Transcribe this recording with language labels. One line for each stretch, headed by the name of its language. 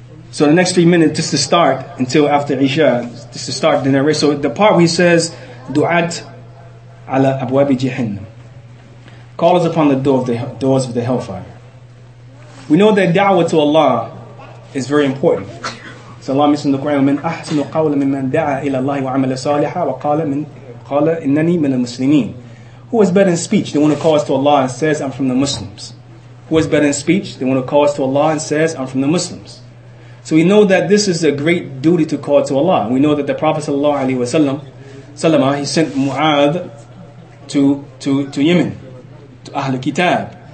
English: So the next 3 minutes, just to start, until after Isha, just to start the narration. So the part where he says, Du'at ala abwabi jahannam. Call us upon the doors of the hellfire. We know that da'wah to Allah is very important. So Allah mentioned in the Quran,
Arabic: من أحسن قول ممن دعا إلى الله وعمل صالحا وقال من قال إنني من المسلمين.
English: Who is better in speech? The one who calls to Allah and says, I'm from the Muslims. Who is better in speech? The one who calls to Allah and says, I'm from the Muslims. So we know that this is a great duty to call to Allah. We know that the Prophet ﷺ, he sent Mu'adh to Yemen, to Ahl al-Kitab.